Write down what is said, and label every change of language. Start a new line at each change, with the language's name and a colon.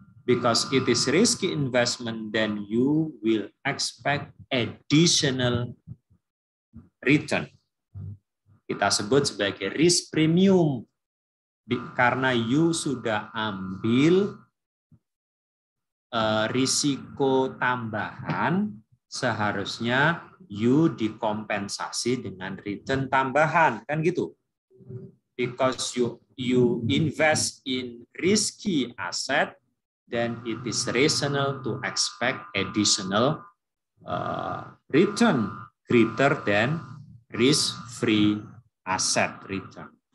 English: Because it is risky investment, then you will expect additional return.
Indonesian: Kita sebut sebagai risk premium karena you sudah ambil risiko tambahan, seharusnya you dikompensasi dengan return tambahan, kan gitu.
English: Because you invest in risky asset, then it is reasonable to expect additional return greater than risk free asset return.